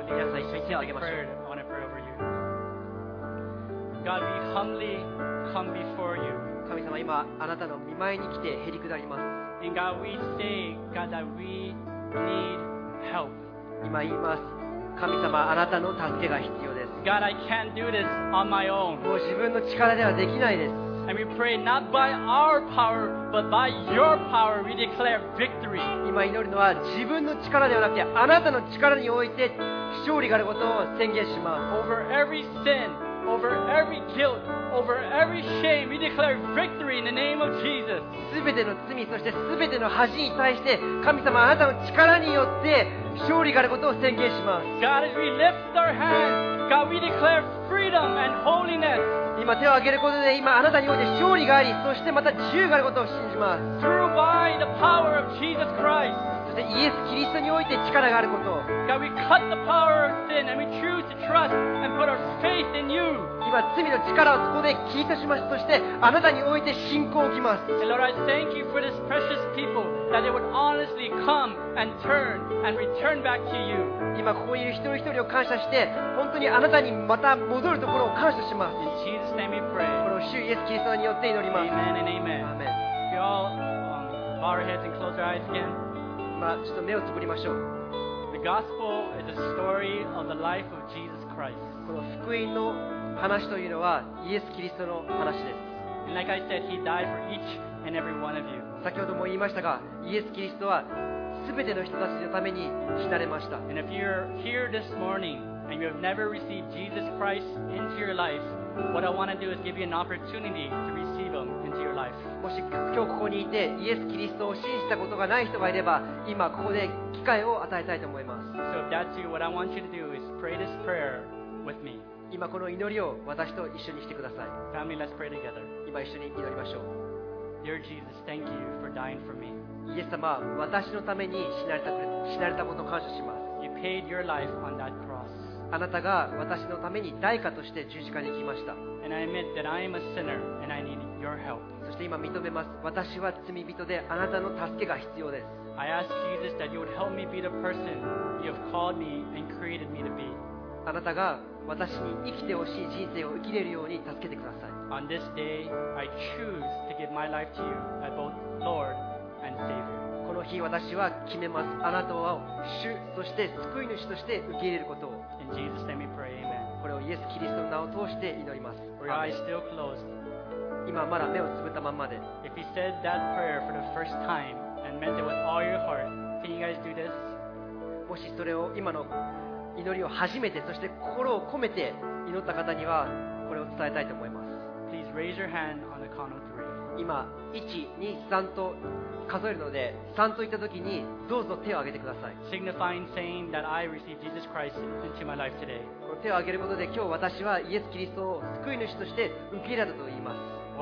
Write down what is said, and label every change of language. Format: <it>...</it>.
<en>And yes, I want to pray over you. God, we humbly come before you.</en> <ja>神様、今あなたの御前に来て減り下ります。</ja> <en>And God, we say, God, that we need help.</en> <ja>今言います。神様、あなたの助けが必要です。</ja> <en>God, I can't do this on my own.</en> <ja>もう自分の力ではできないです。</ja> <en>And we pray not by our power, but by your power, we declare victory.</en> <ja>今祈るのは自分の力ではなくて、あなたの力において勝利があることを宣言します。</ja> <en>Over every sin, over every guilt, over every shame, we declare victory in the name of Jesus.</en> <ja>全ての罪、そして全ての恥に対して、神様、あなたの力によって勝利があることを宣言します。</ja> <en>God, as we lift our hands, God, we declare freedom and holiness.</en> <ja>今手を挙げることで今あなたにおいて勝利がありそしてまた自由があることを信じます</ja> <en>Through by the power of Jesus Christ.</en> <ja>そしてイエス・キリストにおいて力があること</ja> <en>God, we cut the power of sin and we choose to trust and put our faith in you.</en> <ja>今罪の力をそこで切り出しますそしてあなたにおいて信仰を置きます</ja> <en>And Lord, I thank you for this precious people that they would honestly come and turn and return back to you.</en> <ja>今ここにいる一人一人を感謝して本当にあなたにまた戻るところを感謝しますこの主イエスキリストによって祈ります</ja> <en>アーメン Amen. Amen. All, bow our heads and close our eyes again.</en> <ja>まあちょっと目をつぶりましょう</ja> <en>The gospel is a story of the life of Jesus Christ.</en> <ja>この福音の話というのはイエスキリストの話です</ja> <en>And like I said, he died for each and every one of you.</en> <ja>先ほども言いましたがイエスキリストは全ての人たちのために死なれました。</ja> <en>And if you're here this morning and you have never received Jesus Christ into your life, what I want to do is give you an opportunity to receive Him into your life.</en> <ja>もし今日ここにいてイエス・キリストを信じたことがない人がいれば、今ここで機会を与えたいと思います。</ja> <en>So if that's you, what I want you to do is pray this prayer with me.</en> <ja>今この祈りを私と一緒にしてください。</ja> <en>Family, let's pray together.</en> <ja>今一緒に祈りましょう。</ja> <en>Dear Jesus, thank you for dying for me.</en> <ja>イエス様、私のために死なれたことを感謝します。</ja> <en>You paid your life on that cross.</en> <ja>あなたが私のために代価として十字架に行きました。</ja> <en>And I admit that I am a sinner and I need your help.</en> <ja>そして今認めます。私は罪人であなたの助けが必要です。</ja> <en>I ask Jesus that you would help me be the person you have called me and created me to be.</en> <ja>あなたが私に生きてほしい人生を生きれるように助けてください。</ja> <en>On this day, I choose to give my life to you as both Lord.</en> <ja>この日私は決めますあなたを主そして救い主として受け入れることを</ja> <en>In Jesus' name we pray, amen.</en> <ja>これをイエス・キリストの名を通して祈ります</ja> <en>Amen. Your eyes still closed.</en> <ja>今まだ目をつぶったままで</ja> <en>If you said that prayer for the first time and meant it with all your heart, can you guys do this?</en> <ja>もしそれを今の祈りを初めてそして心を込めて祈った方にはこれを伝えたいと思います</ja> <en>Please raise your hand on the count of three.</en> <ja>今 1、2、3 と数えるので3といったときにどうぞ手を挙げてください</ja> <en>Signifying saying that I received Jesus Christ into my life today.</en> <ja>この手を挙げることで今日私はイエス・キリストを救い主として受け入れたと言います</ja>